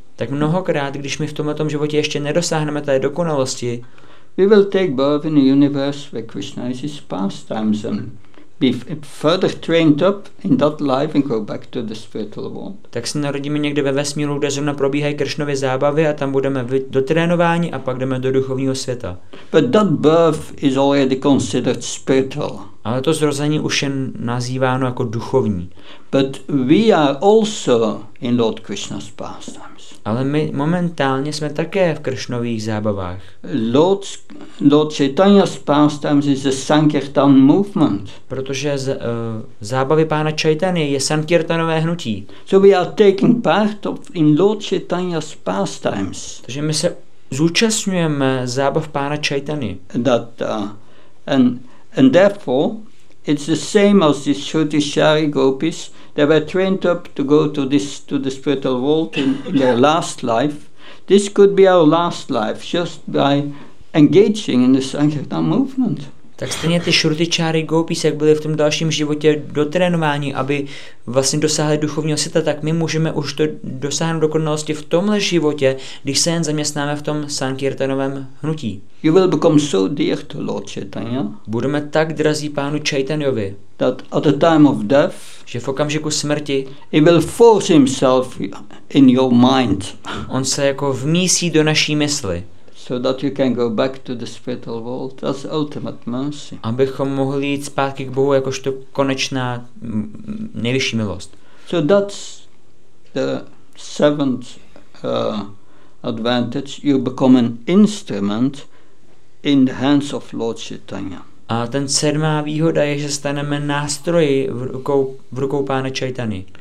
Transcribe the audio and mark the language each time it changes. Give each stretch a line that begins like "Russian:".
Czech: Tak mnohokrát, když my v tomto životě ještě nedosáhneme té dokonalosti,
English: we will take birth in a universe where Krishna is his pastimes and be further trained up in that life and go back to the spiritual world.
Czech: Tak se narodíme někde ve vesmíru, kde zrovna probíhají Kršnovy zábavy, a tam budeme dotrénováni a pak jdeme do duchovního světa.
English: But that birth is already considered spiritual.
Czech: Ale to zrození už je nazýváno jako duchovní.
English: But we are also in Lord Krishna's pastimes.
Czech: Ale my momentálně jsme také v Kršnových zábavách.
English: Lord Chaitanya's pastimes is the Sankirtan movement.
Czech: Protože zábavy pána Chaitany je Sankirtanové hnutí.
English: So we are taking part in Lord Chaitanya's pastimes.
Czech: Takže my se zúčastňujeme zábav pána Chaitany.
English: And therefore, it's the same as the Shrutichari gopis. They were trained up to go to the spiritual world in their last life. This could be our last life, just by engaging in the Sankirtan movement.
Czech: Tak stejně ty Shruti Chari Gopis, jak byly v tom dalším životě dotrénováni, aby vlastně dosáhli duchovního světa, tak my můžeme už to dosáhnout dokonalosti v tomhle životě, když se jen zaměstnáme v tom sankirtanovém hnutí.
English: You will become so dear to Lord Chaitanya.
Czech: Budeme tak drazí pánu Chaitanyovi,
English: that at the time of death,
Czech: že v okamžiku smrti,
English: he will force himself in your mind.
Czech: On se jako vmísí do naší mysli.
English: So that you can go back to the spiritual world as ultimate mercy.
Czech: Abychom mohli jít zpátky k Bohu jakožto konečná nejvyšší milost.
English: So that's the seventh advantage. You become an instrument in the hands of Lord Chaitanya.
Czech: A ten sedmá výhoda je, že staneme nástroji v rukou pána Chaitany.